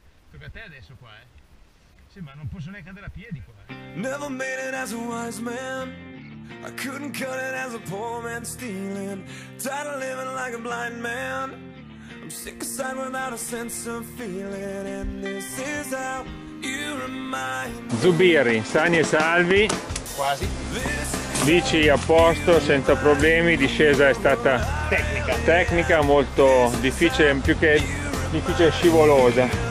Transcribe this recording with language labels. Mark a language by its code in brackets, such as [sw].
[it] Tocca a te adesso qua, Sì, ma non posso neanche andare a piedi qua. [en] Never made it as a wise man. I couldn't cut it as a poor man stealing. Tired of living like a blind man. I'm sick of sight without a sense of feeling, and this is how you remind me. [it] Zubiri, sani e salvi. Quasi. Bici a posto, senza problemi. Discesa è stata tecnica, molto difficile, più che difficile scivolosa.